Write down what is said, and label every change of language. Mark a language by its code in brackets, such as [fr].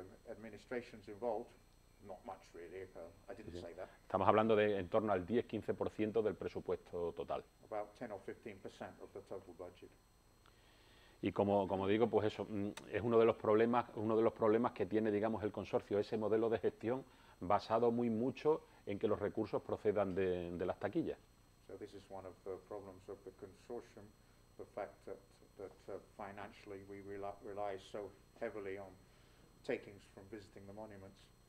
[en] Administrations involved, not much really, I didn't say that. [es] Estamos hablando de en torno al 10-15% del presupuesto total. [en] About 10 or 15% of the total budget. [es] Y como digo, pues eso, es uno de los problemas que tiene, digamos, el consorcio, ese modelo de gestión basado muy mucho en que los recursos procedan de las taquillas. [en] So this is one of the problems of the consortium, the fact that financially we rely so heavily on takings from visiting the monuments.